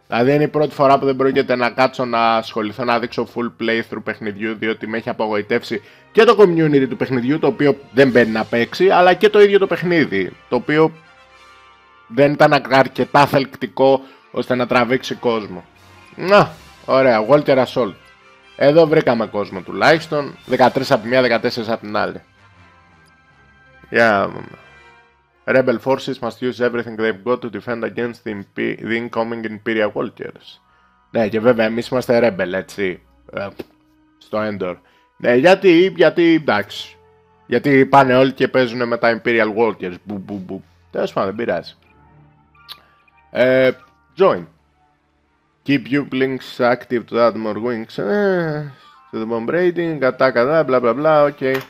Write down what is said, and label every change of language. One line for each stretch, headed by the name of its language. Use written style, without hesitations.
Greek: Δηλαδή είναι η πρώτη φορά που δεν πρόκειται να κάτσω να ασχοληθώ να δείξω full playthrough παιχνιδιού, διότι με έχει απογοητεύσει και το community του παιχνιδιού, το οποίο δεν μπαίνει να παίξει, αλλά και το ίδιο το παιχνίδι, το οποίο δεν ήταν αρκετά θελκτικό ώστε να τραβήξει κόσμο. Να, ωραία, Walter Assault. Εδώ βρήκαμε κόσμο τουλάχιστον, 13 από μία, 14 από την άλλη. Για να...
English: Rebel forces must use everything they've got to defend against the incoming Imperial Walkers.
Greek: Ναι, και βέβαια εμείς είμαστε Rebel, έτσι. Στο Endor. Ναι, γιατί, γιατί, εντάξει. Γιατί πάνε όλοι και παίζουν με τα Imperial Walkers. Τέλος πάντων, δεν πειράζει.
English: Join. Keep you blinks active to add more wings. To the bomb rating,
Greek: κατά, κατά,
English: bla bla bla, ok.